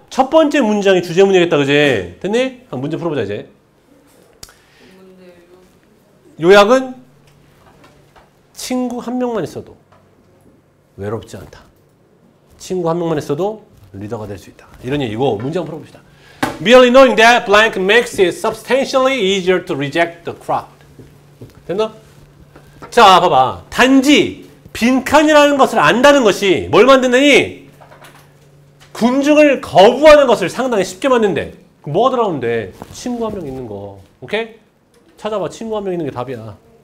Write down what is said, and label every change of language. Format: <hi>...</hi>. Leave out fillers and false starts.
<ko>첫 번째 문장이 주제문이겠다, 그지? 됐니? 한번 문제 풀어보자 이제. 요약은 친구 한 명만 있어도. 외롭지 않다. 친구 한 명만 있어도 리더가 될 수 있다. 이런 얘기고 문제 한번 풀어봅시다.</ko> <en>Merely knowing that blank makes it substantially easier to reject the crowd.</en> <ko>됐나? 자, 봐봐. 단지 빈칸이라는 것을 안다는 것이 뭘 만드느니? 군중을 거부하는 것을 상당히 쉽게 만든대. 뭐가 들어가면 돼? 친구 한 명 있는 거. 오케이? 찾아봐. 친구 한 명 있는 게 답이야.</ko>